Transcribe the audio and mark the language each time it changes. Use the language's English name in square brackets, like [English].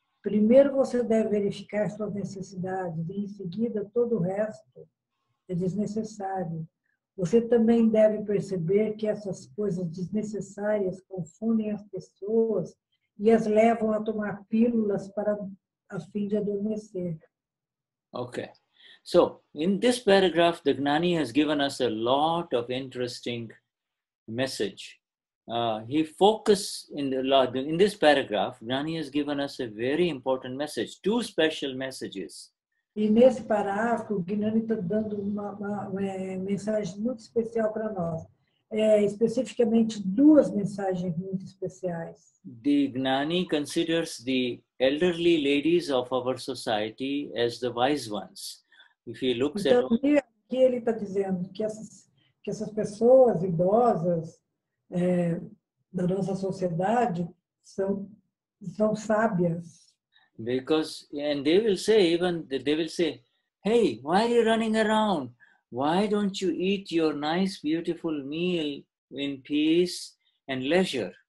[Portuguese] Primeiro você deve verificar suas necessidades e em seguida todo o resto é desnecessário. Você também deve perceber que essas coisas desnecessárias confundem as pessoas e as levam a tomar pílulas para a fim de adormecer. [English] Okay. So, in this paragraph, the Gnani has given us a lot of interesting message. In this paragraph, Gnani has given us a very important message, two special messages. E nesse parágrafo, Gnani está dando uma mensagem muito especial para nós. Especificamente duas mensagens muito especiais. The Gnani considers the elderly ladies of our society as the wise ones. If he looks [Portuguese] então, [English] at all... [Portuguese] aqui ele está dizendo que essas pessoas idosas da nossa sociedade são sábias. [English] Because, and they will say, even they will say, hey, why are you running around? Why don't you eat your nice, beautiful meal in peace and leisure?